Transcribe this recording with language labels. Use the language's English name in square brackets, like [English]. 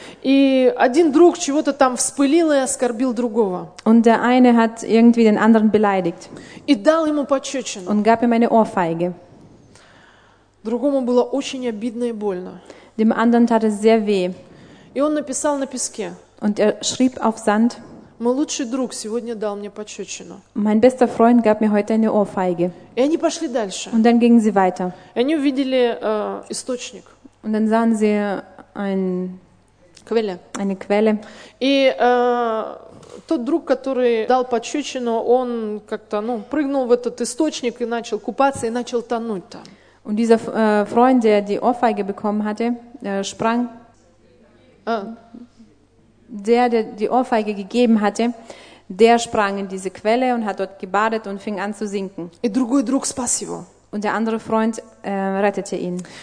[Russian] И один друг чего-то там вспылил и оскорбил другого. [German] Und der eine hat irgendwie den anderen beleidigt. [Russian] И дал ему пощёчину. [German] Und gab ihm eine Ohrfeige. [Russian] Другому было очень обидно и больно. [German] Dem anderen tat es sehr weh. [Russian] И он написал на песке. [German] Und er schrieb auf Sand. [Russian] Мой лучший друг сегодня дал мне пощёчину. [German] Mein bester Freund gab mir heute eine Ohrfeige. [Russian] И они пошли дальше. [German] Und dann gingen sie weiter. [Russian] И они увидели источник. [German] Und dann sahen sie ein Quelle. Eine Quelle. [Russian] И тот друг, который дал пощёчину, он как-то, ну, прыгнул в этот источник и начал купаться и начал тонуть там. [German] Und dieser Freund, der die Ohrfeige bekommen hatte, sprang. Der die Ohrfeige gegeben hatte, der sprang in diese Quelle und hat dort gebadet und fing an zu sinken. Und der andere Freund rettete ihn.